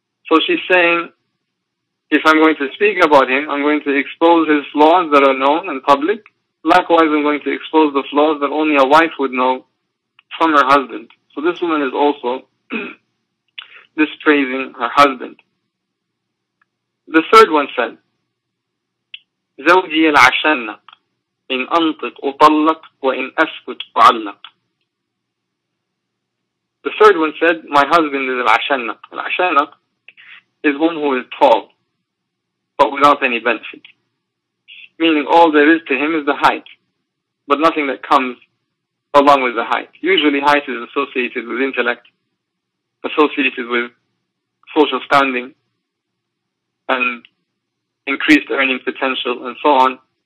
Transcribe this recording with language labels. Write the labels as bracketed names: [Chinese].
[English] So she's saying, if I'm going to speak about him, I'm going to expose his flaws that are known and public. Likewise, I'm going to expose the flaws that only a wife would know from her husband. So this woman is also dispraising her husband. The third one said, [Arabic] زوجي العشنق إن أنطق أطلق وإن أسكت أعلق. [English] The third one said, my husband is العشنق. العشنق is one who is tall, but without any benefit. Meaning all there is to him is the height, but nothing that comes along with the height. Usually height is associated with intellect, associated with social standing, and increased earning potential, and so on.